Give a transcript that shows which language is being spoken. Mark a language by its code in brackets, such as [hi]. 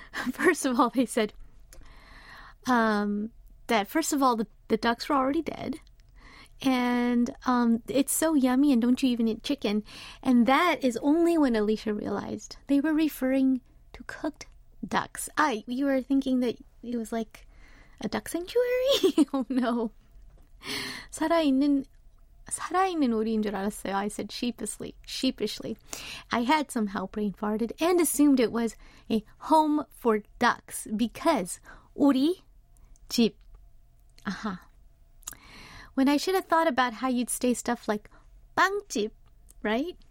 [en] First of all, they said that first of all, the ducks were already dead. And it's so yummy, and don't you even eat chicken? And that is only when Alicia realized they were referring to cooked ducks. You were thinking that it was like a duck sanctuary? Oh no. [ko] 살아있는 오리인 줄 알았어요. [en] I said sheepishly. I had somehow brain farted and assumed it was a home for ducks because [ko] 오리, 집. [en] Aha. When I should have thought about how you'd say stuff like 빵집, right?